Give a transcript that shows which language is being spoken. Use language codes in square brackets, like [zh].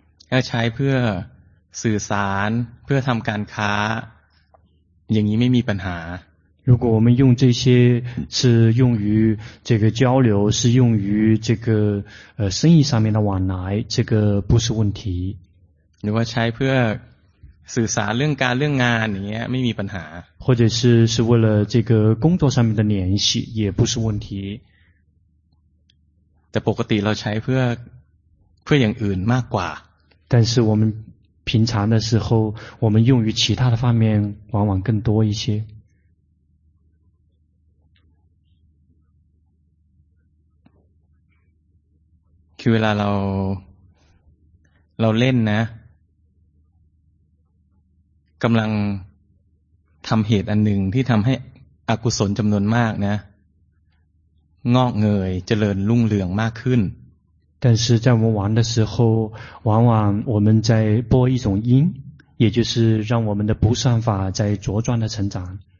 [th] ก็ใช้เพื่อสื่อสารเพื่อทำการค้าอย่างนี้ไม่มีปัญหา [zh] 如果我们用这些是用于这个交流是用于这个生意上面的往来这个不是问题 [th] หรือว่าใช้เพื่อสื่อสารเรื่องการเรื่องงานอย่างนี้ไม่มีปัญหา [zh] 或者是为了这个工作上面的联系也不是问题 [th] แต่ปกติเราใช้เพื่ออย่างอื่นมากกว่า [zh] 但是我们平常的时候我们用于其他的方面往往更多一些 [th] คือเวลาเราเล่นนะกำลังทำเหตุอันหนึ่งที่ทำให้อกุศลจำนวนมากนะงอกเงยเจริญรุ่งเรืองมากขึ้น [zh] 但是在我们玩的时候往往我们在播一种因也就是让我们的不善法在茁壮的成长